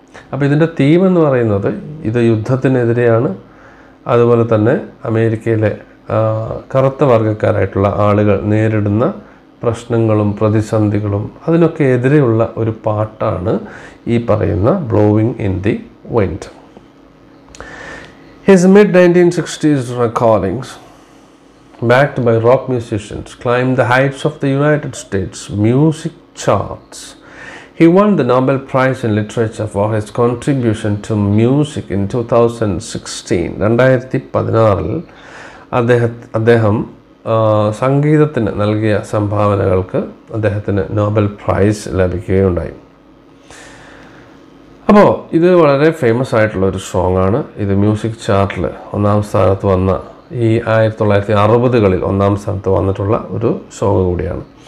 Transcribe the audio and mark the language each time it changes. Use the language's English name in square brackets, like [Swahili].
[Malayalam] അപ്പോൾ ഇതിൻ്റെ തീം എന്ന് പറയുന്നത് ഇത് യുദ്ധത്തിനെതിരെയാണ്, അതുപോലെ തന്നെ അമേരിക്കയിലെ കറുത്ത വർഗ്ഗക്കാരായിട്ടുള്ള ആളുകൾ നേരിടുന്ന പ്രശ്നങ്ങളും പ്രതിസന്ധികളും അതിനൊക്കെ എതിരെയുള്ള ഒരു പാട്ടാണ് ഈ പറയുന്ന blowing in the wind. [English] His mid-1960s recordings, backed by rock musicians, climbed the heights of the United States music charts. He won the Nobel Prize in Literature for his contribution to music in 2016. [Malayalam] 2016, അദ്ദേഹം സംഗീതത്തിന് നൽകിയ സംഭാവനകൾക്ക് അദ്ദേഹത്തിന് Nobel prize ലഭിക്കുകയുണ്ടായി. അപ്പോൾ ഇത് വളരെ famous ആയിട്ടുള്ള ഒരു സോങ് ആണ്. ഇത് മ്യൂസിക് ചാർട്ടിൽ 1-ാം സ്ഥാനത്ത് വന്ന, ഈ 1960s ഒന്നാം സ്ഥാനത്ത് വന്നിട്ടുള്ള ഒരു സോങ് കൂടിയാണ്.